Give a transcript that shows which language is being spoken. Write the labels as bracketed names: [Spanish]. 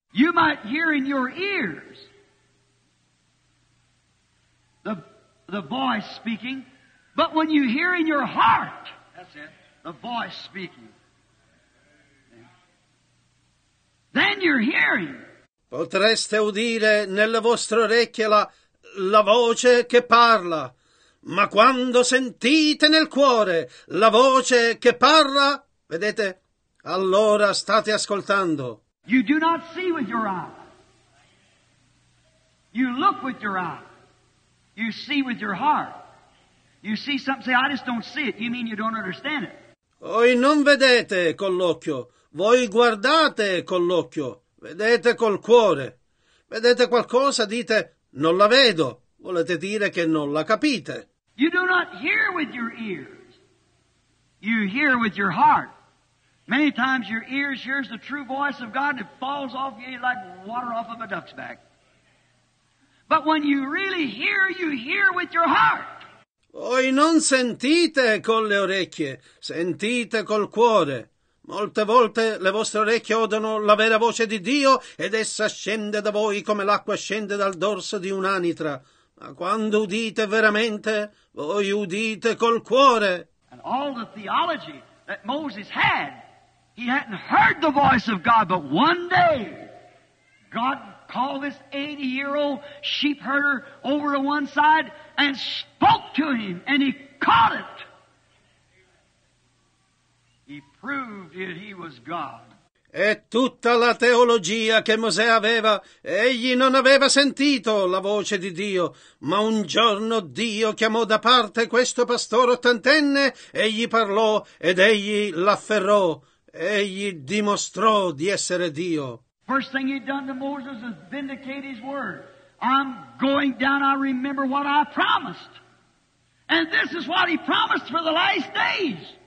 [English] You might hear in your ears the voice speaking, but when you hear in your heart, that's it, the voice speaking, then you're hearing. [Italian] Potreste udire nelle vostre orecchie la voce che parla, ma quando sentite nel cuore la voce che parla, vedete, allora state ascoltando. [English] You do not see with your eye. You look with your eye. You see with your heart. You see something, say, I just don't see it. You mean you don't understand it. [Italian] Voi non vedete con l'occhio. Voi guardate con l'occhio, vedete col cuore. Vedete qualcosa, dite, non la vedo. Volete dire che non la capite. [English] You do not hear with your ears. You hear with your heart. Many times your ears hears the true voice of God and it falls off you like water off of a duck's back. But when you really hear, you hear with your heart. [Italian] Voi non sentite con le orecchie, sentite col cuore. Molte volte le vostre orecchie odono la vera voce di Dio ed essa scende da voi come l'acqua scende dal dorso di un'anitra. Ma quando udite veramente, voi udite col cuore. [English] And all the theology that Moses had, he hadn't heard the voice of God, but one day God called this 80-year-old sheep herder over to one side and spoke to him, and he caught it. He proved that he was God. [Italian] E tutta la teologia che Mosè aveva, egli non aveva sentito la voce di Dio, ma un giorno Dio chiamò da parte questo pastore ottantenne, egli parlò ed egli l'afferrò, egli dimostrò di essere Dio. [English] First thing he'd done to Moses is vindicate his word. I'm going down, I remember what I promised. And this is what he promised for the last days.